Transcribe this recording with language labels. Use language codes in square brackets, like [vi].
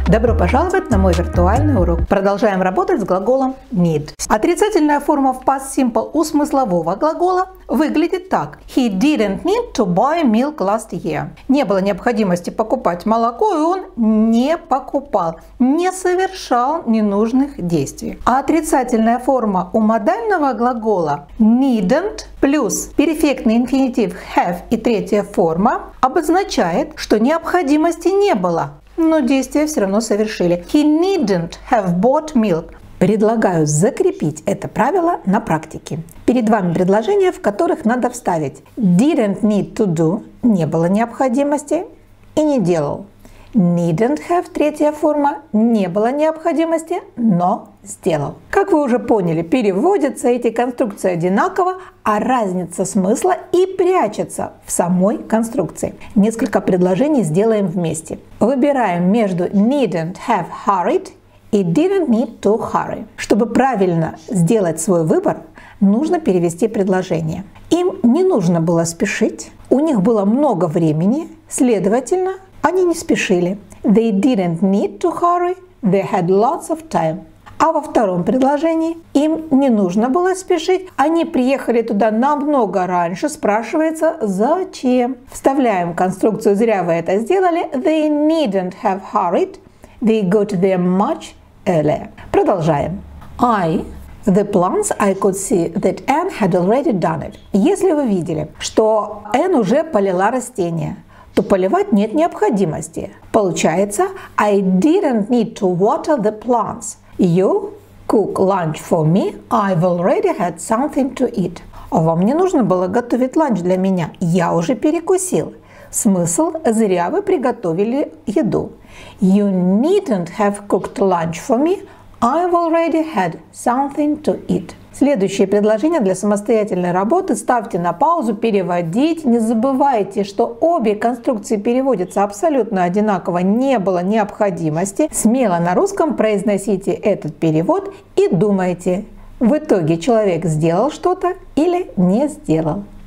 [ru] Добро пожаловать на мой виртуальный урок. Продолжаем работать с глаголом need. Отрицательная форма в past simple у смыслового глагола выглядит так. [en] He didn't need to buy milk last year. [ru] Не было необходимости покупать молоко, и он не покупал, не совершал ненужных действий. А отрицательная форма у модального глагола needn't плюс перфектный инфинитив have и третья форма обозначает, что необходимости не было, но действия все равно совершили. [en] He needn't have bought milk. [ru] Предлагаю закрепить это правило на практике. Перед вами предложения, в которых надо вставить [en] didn't need to do, [ru] не было необходимости, и не делал. [en] Needn't have, [ru] третья форма, не было необходимости, но сделал. Как вы уже поняли, переводятся эти конструкции одинаково, а разница смысла и прячется в самой конструкции. Несколько предложений сделаем вместе. Выбираем между [en] needn't have hurried [ru] и [en] didn't need to hurry. [ru] Чтобы правильно сделать свой выбор, нужно перевести предложение. Им не нужно было спешить, у них было много времени, следовательно, они не спешили. [en] They didn't need to hurry, they had lots of time. [ru] А во втором предложении им не нужно было спешить, они приехали туда намного раньше, спрашивается зачем. Вставляем конструкцию «зря вы это сделали». [en] They needn't have hurried, they got there much earlier. [ru] Продолжаем. [en] The plants, I could see that Anne had already done it. [ru] Если вы видели, что Anne уже полила растения, то поливать нет необходимости. Получается, [en] I didn't need to water the plants. You cook lunch for me, I've already had something to eat. [ru] Вам не нужно было готовить ланч для меня, я уже перекусил. Смысл, зря вы приготовили еду. [en] You needn't have cooked lunch for me, I've already had something to eat. [ru] Следующее предложение для самостоятельной работы ставьте на паузу, переводите. Не забывайте, что обе конструкции переводятся абсолютно одинаково, не было необходимости. Смело на русском произносите этот перевод и думайте, в итоге человек сделал что-то или не сделал.